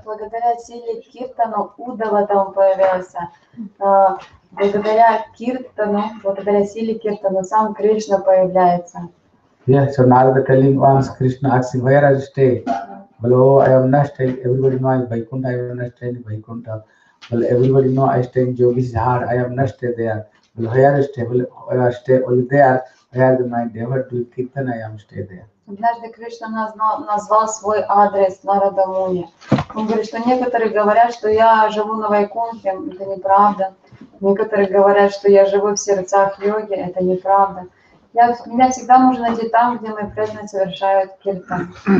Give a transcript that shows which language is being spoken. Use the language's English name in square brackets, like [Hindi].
[Russian] Благодаря силе киртану Уддава там появился. Благодаря киртану, благодаря силе киртану сам Кришна появляется. [English] Yeah, so Narada telling once Krishna asking, where I stay? Well, oh, I am not staying. Everybody know I am Vaikuntha. I am not staying in Vaikuntha. Well, everybody know I stay in Yogi's heart. I am not staying there. Well, where I stay? Well, where I stay? Well, there. Where my devotee to kirtan, I am staying there. [Russian] Однажды Кришна назвал свой адрес Нарада Муни. Он говорит, что некоторые говорят, что я живу на Вайкунте. Это неправда. Некоторые говорят, что я живу в сердцах йоги. Это неправда. Меня всегда нужно найти там, где мои преданные совершают киртан.